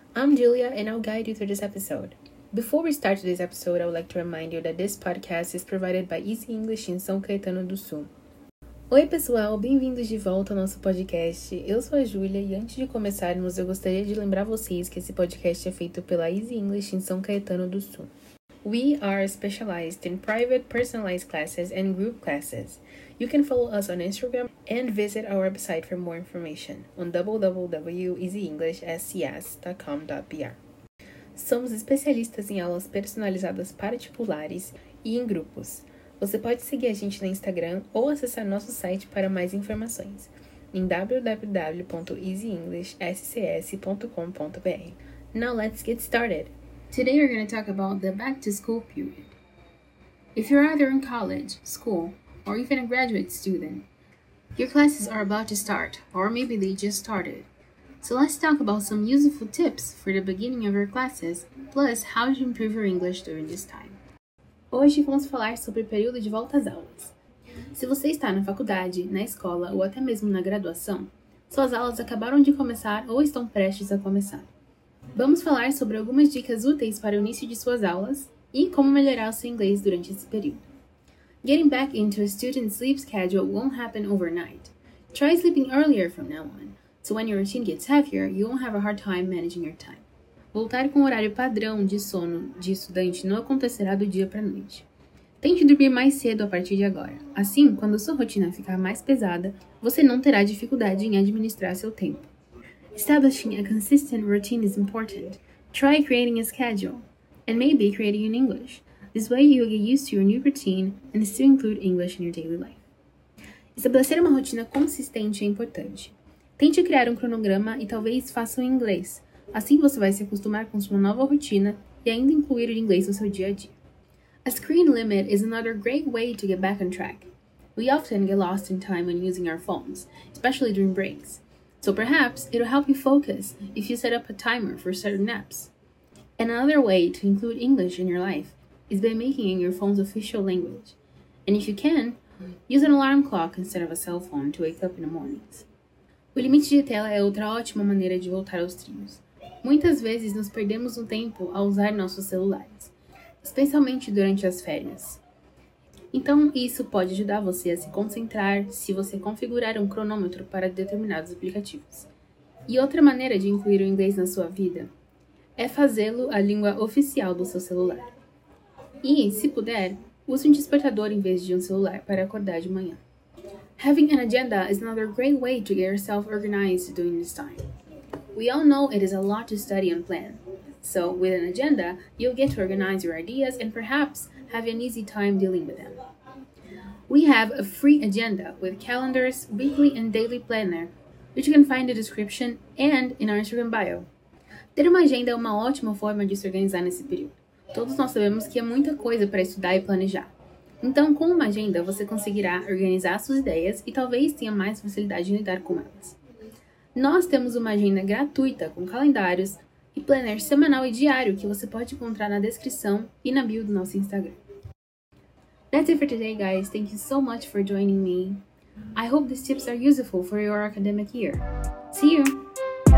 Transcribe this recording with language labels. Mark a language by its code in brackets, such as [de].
[en] I'm Julia and I'll guide you through this episode. Before we start today's episode, I would like to remind you that this podcast is provided by Easy English in São Caetano do Sul. [pt] Oi pessoal, bem-vindos de volta ao nosso podcast. Eu sou a Julia e antes de começarmos, eu gostaria de lembrar vocês que esse podcast é feito pela Easy English in São Caetano do Sul. [en] We are specialized in private personalized classes and group classes. You can follow us on Instagram and visit our website for more information on www.easyenglishscs.com.br. [pt] Somos especialistas em aulas personalizadas particulares e em grupos. Você pode seguir a gente no Instagram ou acessar nosso site para mais informações em www.easyenglishscs.com.br. [en] Now let's get started! Today we're going to talk about the back-to-school period. If you're either in college, school, or even a graduate student, your classes are about to start, or maybe they just started. So let's talk about some useful tips for the beginning of your classes, plus how to improve your English during this time. [pt] Hoje vamos falar sobre o período de volta às aulas. Se você está na faculdade, na escola ou até mesmo na graduação, suas aulas acabaram de começar ou estão prestes a começar. Vamos falar sobre algumas dicas úteis para o início de suas aulas e como melhorar o seu inglês durante esse período. [en] Getting back into a student's sleep schedule won't happen overnight. Try sleeping earlier from now on, so when your routine gets heavier, you won't have a hard time managing your time. [pt] Voltar com o horário padrão de sono de estudante não acontecerá do dia para a noite. Tente dormir mais cedo a partir de agora. Assim, quando sua rotina ficar mais pesada, você não terá dificuldade em administrar seu tempo. [en] Establishing a consistent routine is important. Try creating a schedule, and maybe creating in English. This way you will get used to your new routine and still include English in your daily life. [pt] Estabelecer uma rotina consistente é importante. Tente criar um cronograma e talvez faça em inglês. Assim você vai se acostumar com sua nova rotina e ainda incluir o inglês no seu dia a dia. [en] A screen limit is another great way to get back on track. We often get lost in time when using our phones, especially during breaks. So perhaps it'll help you focus if you set up a timer for certain apps. And another way to include English in your life is by making it your phone's official language. And if you can, use an alarm clock instead of a cell phone to wake up in the mornings. [pt] O limite de tela é outra ótima maneira de voltar aos trilhos. Muitas vezes nos perdemos um tempo ao usar nossos celulares, especialmente durante as férias. Então, isso pode ajudar você a se concentrar se você configurar um cronômetro para determinados aplicativos. E outra maneira de incluir o inglês na sua vida é fazê-lo a língua oficial do seu celular. E, se puder, use um despertador em vez de um celular para acordar de manhã. [en] Having an agenda is another great way to get yourself organized during this time. We all know it is a lot to study and plan. So, with an agenda, you'll get to organize your ideas and perhaps have an easy time dealing with them. We have a free agenda with calendars, weekly and daily planner, which you can find in the description and in our Instagram bio. [pt] Ter uma agenda é uma ótima forma de se organizar nesse período. Todos nós sabemos que é muita coisa para estudar e planejar. Então, com uma agenda, você conseguirá organizar suas ideias e talvez tenha mais facilidade em lidar com elas. Nós temos uma agenda gratuita com calendários, e planner semanal e diário que você pode encontrar na descrição e na bio do nosso Instagram. [en] That's it for today, guys. Thank you so much for joining me. I hope these tips are useful for your academic year. See you!